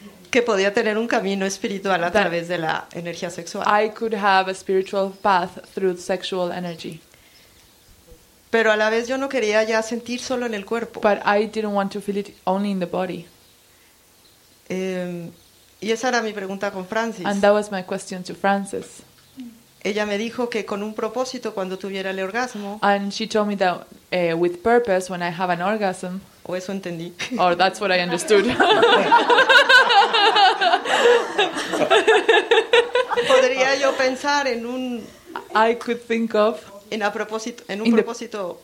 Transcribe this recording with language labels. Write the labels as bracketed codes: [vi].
[es] Que podía tener un camino espiritual a través de la energía sexual. [en] I could have a spiritual path through sexual energy. [es] Pero a la vez yo no quería ya sentir solo en el cuerpo. [en] But I didn't want to feel it only in the body. [es] Y esa era mi pregunta con Francis. [en] And that was my question to Francis. [es] Ella me dijo que con un propósito cuando tuviera el orgasmo. [en] And she told me that with purpose when I have an orgasm. [es] O eso entendí. [en] Or that's what I understood. [es] Podría yo pensar en un. [en] I could think of. [es] En a propósito, en un propósito.